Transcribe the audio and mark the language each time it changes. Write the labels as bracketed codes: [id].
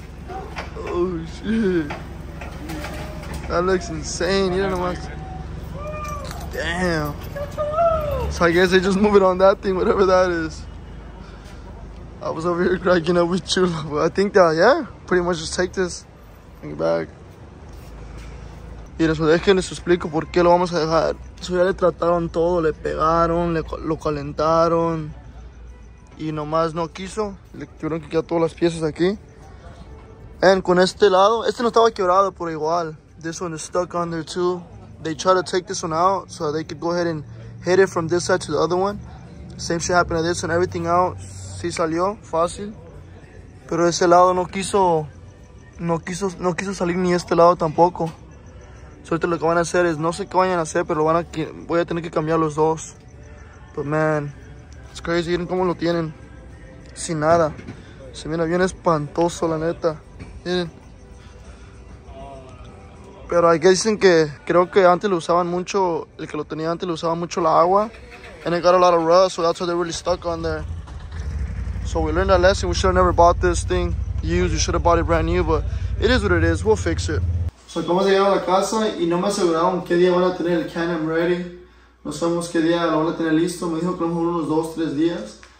[en] Oh, shit. That looks insane. You don't know what. Damn. So I guess they just move it on that thing, whatever that is. I was over here cracking up with Chulo. But I think that, yeah, pretty much just take this. Bring it back. [es] Y eso, déjenles explico por qué lo vamos a dejar. Eso ya le trataron todo, le pegaron, lo calentaron. Y nomás no quiso. Le tuvieron que quitar todas las piezas aquí. And con este lado, este no estaba quebrado, pero igual. [en] This one is stuck on there too. They try to take this one out so they could go ahead and hit it from this side to the other one. Same shit happened to this one. Everything out, [es] sí salió, fácil. Pero ese lado no quiso salir ni este lado tampoco. So ahorita lo que van a hacer es, no sé qué vayan a hacer, pero voy a tener que cambiar los dos. [en] But man, it's crazy, [es] miren cómo lo tienen. Sin nada. Se mira bien espantoso, la neta. Miren. Pero hay que dicen que creo que antes lo usaban mucho, el que lo tenía antes lo usaba mucho la agua. [en] And it got a lot of rust, so that's why they're really stuck on there. So we learned a lesson, we should have never bought this thing used, we should have bought it brand new, but it is what it is, we'll fix it. [es] So acabamos de llegar a la casa y no me aseguraron qué día van a tener el Canam ready. No sabemos qué día lo van a tener listo, me dijo que lo mejor unos 2-3 días.